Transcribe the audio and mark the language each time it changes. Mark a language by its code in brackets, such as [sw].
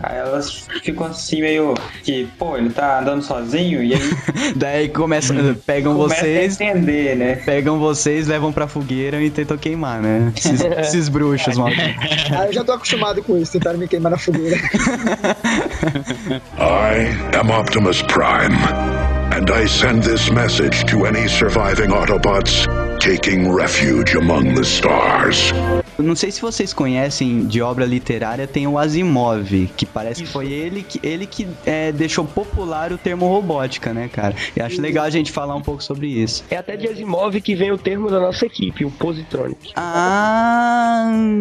[pt] Aí elas ficam assim meio que, pô, ele tá andando sozinho e aí... Daí começam, pegam vocês... Começam a entender, né? Pegam vocês, levam pra fogueira e tentam queimar, né? Esses bruxos, mano. Ah, eu já tô acostumado com isso, tentaram me queimar na fogueira. [en] I am Optimus Prime, and I send this message to any surviving Autobots taking refuge among the stars. [pt] Eu não sei se vocês conhecem de obra literária, tem o Asimov, que parece que foi ele que deixou popular o termo robótica, né, cara? E acho legal a gente falar um pouco sobre isso. É até de Asimov que vem o termo da nossa equipe, o Positronic. Ah!